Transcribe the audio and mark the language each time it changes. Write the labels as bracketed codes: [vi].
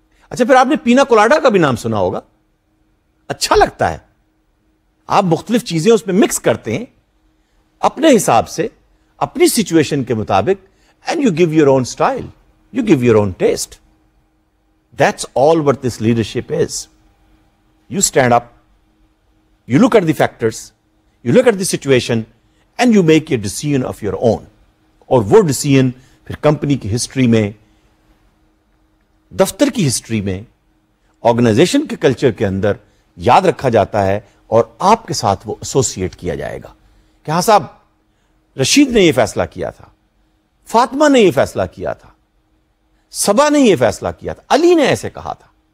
[ur] اچھا پھر آپ نے پینا کولاڈا کا بھی نام سنا ہوگا، اچھا لگتا ہے. آپ مختلف چیزیں اس میں مکس کرتے ہیں اپنے حساب سے، اپنی سچویشن کے مطابق، [en] And you give your own style, you give your own taste. That's all what this leadership is. You stand up, you look at the factors, you look at the situation, and you make a decision of your own. [ur] اور وہ decision پھر company کی history میں، دفتر کی history میں، organization کے culture کے اندر یاد رکھا جاتا ہے اور آپ کے ساتھ وہ ایسوسیٹ کیا جائے گا کہ ہاں صاحب رشید نے یہ فیصلہ کیا تھا، فاطمہ نے یہ فیصلہ کیا تھا، سبا نے یہ فیصلہ کیا تھا، علی نے ایسے کہا تھا.